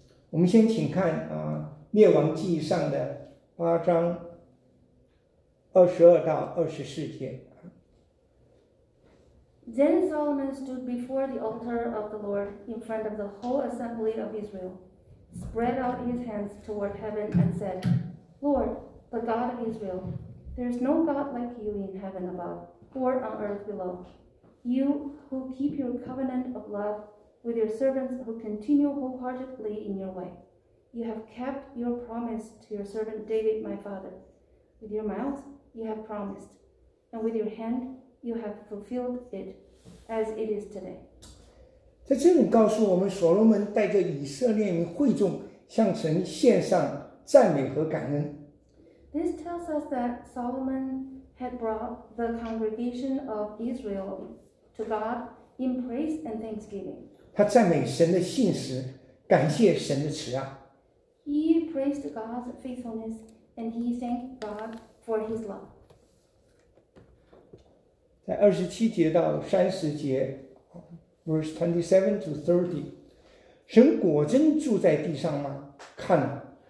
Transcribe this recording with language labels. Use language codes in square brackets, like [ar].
[zh] 我们先请看列王记上的8:22-24. [en] Then Solomon stood before the altar of the Lord in front of the whole assembly of Israel, spread out his hands toward heaven and said, Lord, the God of Israel, there is no God like you in heaven above or on earth below. You who keep your covenant of love with your servants who continue wholeheartedly in your way. You have kept your promise to your servant David, my father. With your mouth, you have promised, and with your hand, you have fulfilled it as it is today. [zh] 在这里告诉我们，所罗门带着以色列民会众向神献上赞美和感恩。 [en] This tells us that Solomon had brought the congregation of Israel to God in praise and thanksgiving. [zh] 他赞美神的信实，感谢神的慈爱。 [en] He praised God's faithfulness and he thanked God for His love. [zh] 在二十七节到三十节 ， [en] verse 27 to 30， [zh] 神果真住在地上吗？看了。